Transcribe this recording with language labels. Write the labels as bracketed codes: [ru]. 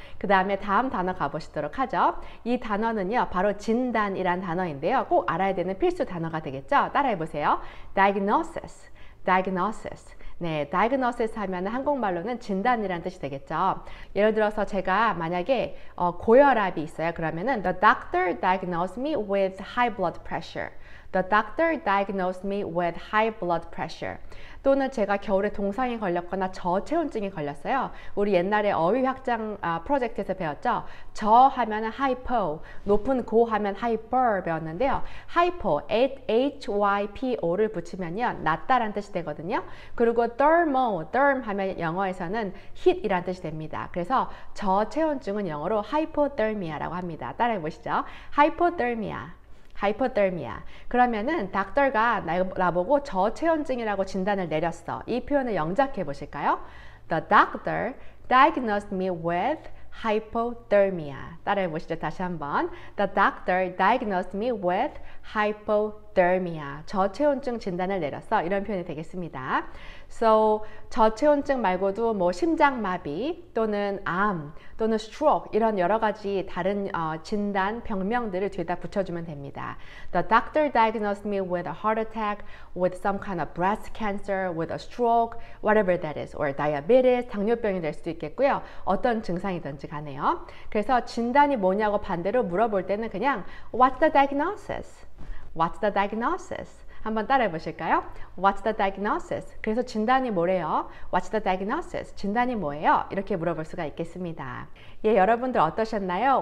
[ko] 그 다음에 다음 단어 가보시도록 하죠. 이 단어는요, 바로 진단이란 단어인데요. 꼭 알아야 되는 필수 단어가 되겠죠. 따라해 보세요. Diagnosis. Diagnosis. 네, diagnosis 하면 한국말로는 진단이라는 뜻이 되겠죠. 예를 들어서 제가 만약에 고혈압이 있어요. 그러면은 [en] the doctor diagnosed me with high blood pressure. The doctor diagnosed me with high blood pressure. [ko] 또는 제가 겨울에 동상이 걸렸거나 저체온증이 걸렸어요. 우리 옛날에 어휘 확장 프로젝트에서 배웠죠. 저 하면은 hypo, 높은 고 하면 hyper 배웠는데요. hypo, hypo를 붙이면요, 낮다란 뜻이 되거든요. 그리고 thermo, therm 하면 영어에서는 heat이란 뜻이 됩니다. 그래서 저체온증은 영어로 hypothermia라고 합니다. 따라해 보시죠. hypothermia. 하이퍼더미아. 그러면은 닥터가 나보고 저체온증이라고 진단을 내렸어. 이 표현을 영작해 보실까요? [en] The doctor diagnosed me with hypothermia. [ko] 따라해 보시죠. 다시 한번. [en] The doctor diagnosed me with hypothermia. [ko] 저체온증 진단을 내렸어. 이런 표현이 되겠습니다. So 저체온증 말고도 뭐 심장마비 또는 암 또는 스트로크 이런 여러 가지 다른 진단 병명들을 뒤에다 붙여주면 됩니다. [en] The doctor diagnosed me with a heart attack, with some kind of breast cancer, with a stroke, whatever that is, or diabetes, [ko] 당뇨병이 될 수도 있겠고요. 어떤 증상이든지 간에요. 그래서 진단이 뭐냐고 반대로 물어볼 때는 그냥 [en] What's the diagnosis? What's the diagnosis? [ko] 한번 따라해 보실까요? [en] What's the diagnosis? [ko] 그래서 진단이 뭐래요? [en] What's the diagnosis? [ko] 진단이 뭐예요? 이렇게 물어볼 수가 있겠습니다. 예, 여러분들 어떠셨나요?